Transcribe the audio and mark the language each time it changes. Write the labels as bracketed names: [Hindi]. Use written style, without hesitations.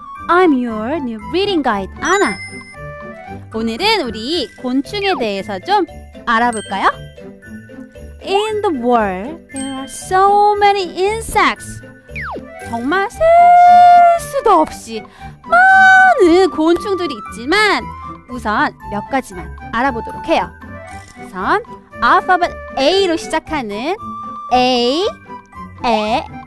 [English] I'm your new reading guide, Anna. [Korean] 오늘은 우리 곤충에 대해서 좀 알아볼까요? [English] In the world, there are so many insects. [Korean] 정말 셀 수도 없이 많은 곤충들이 있지만 우선 몇 가지만 알아보도록 해요. 우선 alphabet A로 시작하는 A, ant.